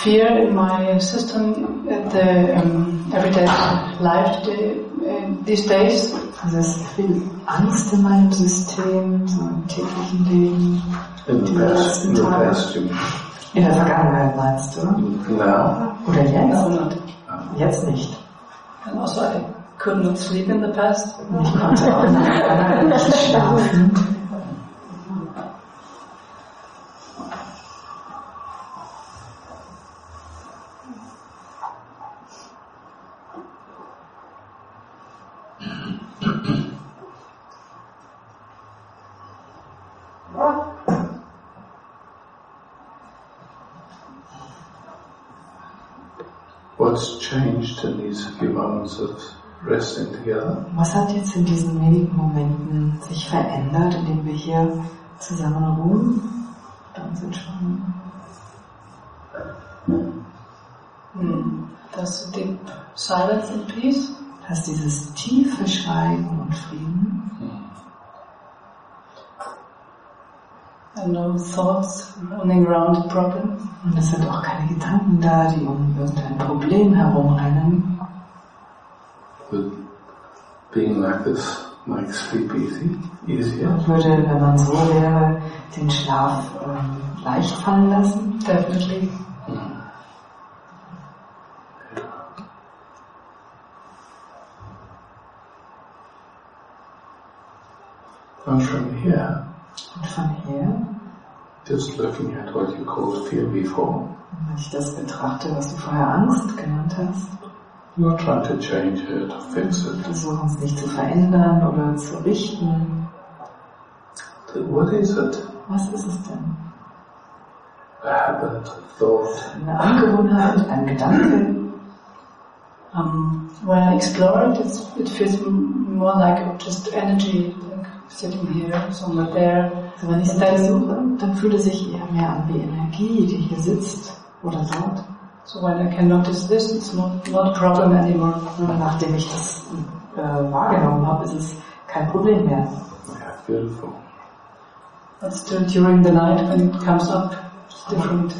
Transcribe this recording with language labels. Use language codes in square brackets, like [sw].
[en] fear in my system at the everyday life today, these days. [de] Also es ist viel Angst in meinem System, so im täglichen Leben. In der Vergangenheit meinst du? Ja. Oder jetzt? [en] No, not. [de] Jetzt nicht. [en] And also I could not sleep in the past. [de] Ich konnte auch in der Vergangenheit nicht schlafen. [en] Changed in these few moments of resting together. [de] Was hat jetzt in diesen wenigen Momenten sich verändert, indem wir hier zusammen ruhen? Ganz entspannen. [en] Das deep silence and peace. [de] Hast dieses tiefe Schweigen und Frieden. [en] And no thoughts running around the problem. [de] Und es sind auch keine Gedanken da, die um irgendein Problem herumrennen. [en] But being like this makes sleep easy, easier. [de] Und würde, wenn man so wäre, den Schlaf leicht fallen lassen? [en] Definitely. And from here. [de] Und von hier. [en] Just looking at what you call fear before. [de] Wenn ich das betrachte, was du vorher Angst genannt hast. [en] You're trying to change it, fix it. [de] Versuch uns nicht zu verändern oder zu richten. [en] What is it? [de] Was ist es denn? [en] A habit, a thought. [de] Eine Angewohnheit, ein Gedanke. [en] When I explore it, it feels more like just energy, like sitting here, somewhere there. [de] So, wenn ich es dann suche, dann fühlt es sich eher mehr an wie Energie, die hier sitzt oder dort. [en] So, when I can notice this, it's not a problem anymore. [de] Und nachdem ich das wahrgenommen habe, ist es kein Problem mehr. [en] Yeah, beautiful. But still during the night, when it comes up, it's different.